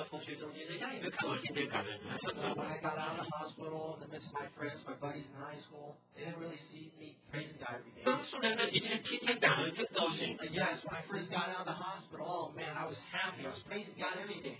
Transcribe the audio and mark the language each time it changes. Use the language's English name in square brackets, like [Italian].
[Chinese] 那你看我回来出院以后，这个回到同学中间，人家也没看我天天感恩。 [English] When I got out of the hospital, in the midst of my friends, my buddies in high school, they didn't really see me praising God every day. [Chinese] 刚出来那几天，天天感恩，真高兴。 [English] Yes, when I first got out of the hospital, oh man, I was happy. I was praising God every day.